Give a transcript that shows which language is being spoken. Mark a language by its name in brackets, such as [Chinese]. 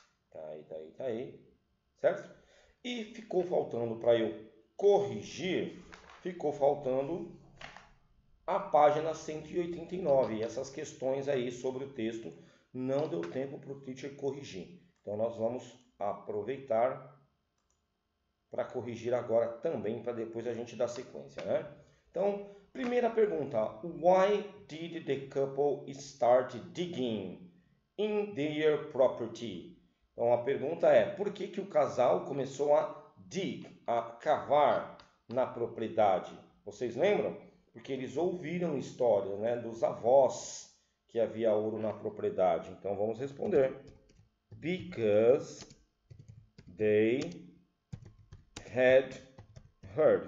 [Portuguese] Tá aí, certo? E ficou faltando para eu corrigir, ficou faltando a página 189. Essas questões aí sobre o texto não deu tempo para o teacher corrigir. Então nós vamos aproveitar para corrigir agora também, para depois a gente dar sequência, né? Então, primeira pergunta: [English] Why did the couple start digging in their property? [Portuguese] Então a pergunta é: por que que o casal começou a dig, a cavar na propriedade? Vocês lembram? Porque eles ouviram histórias, né, dos avós que havia ouro na propriedade. Então vamos responder: [English] Because they had heard.